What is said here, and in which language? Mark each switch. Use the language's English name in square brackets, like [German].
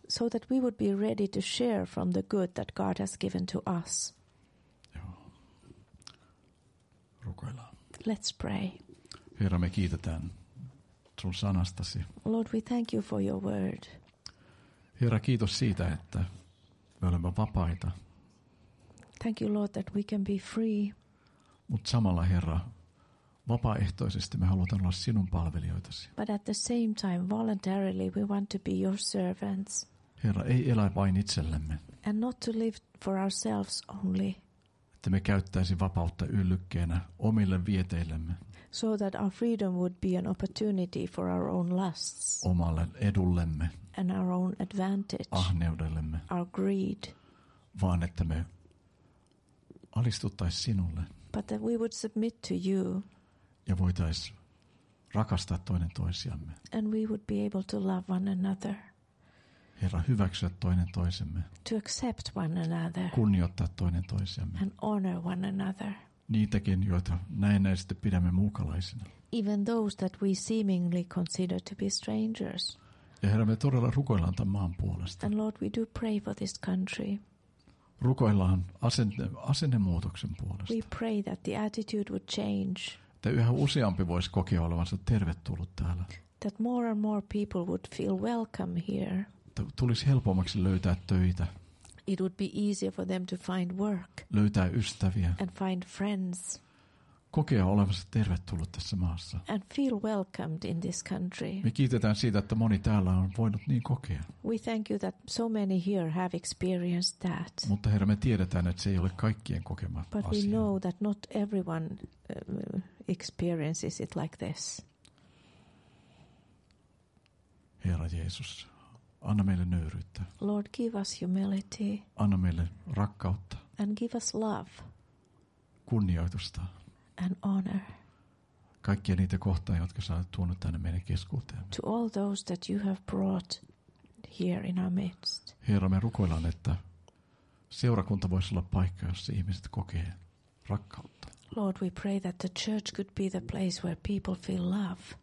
[English] So that we would be ready to share from the good that God has given to us. [Finnish] Joo. Rukoillaan. [English] Let's pray. [Finnish] Herra, me kiitetään sun sanastasi. [English] Lord, we thank you for your word. [Finnish] Herra, kiitos siitä, että me olemme vapaita. [English] Thank you, Lord, that we can be free. [Finnish] Mut samalla, Herra, vapaaehtoisesti me halutaan olla sinun palvelijoitasi. [English] But at the same time, voluntarily, we want to be your servants. [Finnish] Herra, ei elä vain itsellemme. [English] And not to live for ourselves only. [Finnish] Että me käyttäisi vapautta yllykkeenä omille vieteillemme. [English] So that our freedom would be an opportunity for our own lusts. [Finnish] Omalle edullemme. [English] And our own advantage. [Finnish] Ahneudellemme. [English] Our greed. [Finnish] Vaan että me alistuttaisi sinulle. [English] But that we would submit to you. [Finnish] Ja voitais rakastaa toinen toisiamme. [English] And we would be able to love one another. [Finnish] Herra, hyväksyä toinen toisemme. [English] To accept one another. [Finnish] Kunnioittaa toinen toisemme. [English] And honor one another. [Finnish] Niitäkin, joita näennäisesti pidämme muukalaisina. [English] Even those that we seemingly consider to be strangers. [Finnish] Ja Herra, me todella rukoillaan tämän maan puolesta. [English] And Lord, we do pray for this country. [Finnish] Rukoillaan asennemuutoksen puolesta. [English] We pray that the attitude would change. [Finnish] Että yhä useampi voisi kokea olevansa tervetullut täällä. [English] That more and more people would feel welcome here. [Finnish] Tulisi helpommaksi löytää töitä. [English] It would be easier for them to find work. [Finnish] Löytää ystäviä. [English] And find friends. [Finnish] Kokea olevansa tervetullut tässä maassa. [English] And feel welcomed in this country. [Finnish] Me kiitetään siitä, että moni täällä on voinut niin kokea. [English] We thank you that so many here have experienced that. [Finnish] Mutta Herra, me tiedetään, että se ei ole kaikkien kokema [English] But [Finnish] asia. [English] We know that not everyone experiences it like this. [Finnish] Herra Jeesus, anna meille nöyryyttä. [English] Lord, give us humility. [Finnish] Anna meille rakkautta. [English] And give us love. [Finnish] Kunnioitusta. [English] And honor. [Finnish] Kaikkia niitä kohtaa, jotka sä olet tuonut tänne meidän keskuuteemme. [English] To all those that you have brought here in our midst. [Finnish] Herra, me rukoillaan, että seurakunta voisi olla paikka, jossa ihmiset kokee rakkautta. [English] Lord, we pray that the church could be the place where people feel love.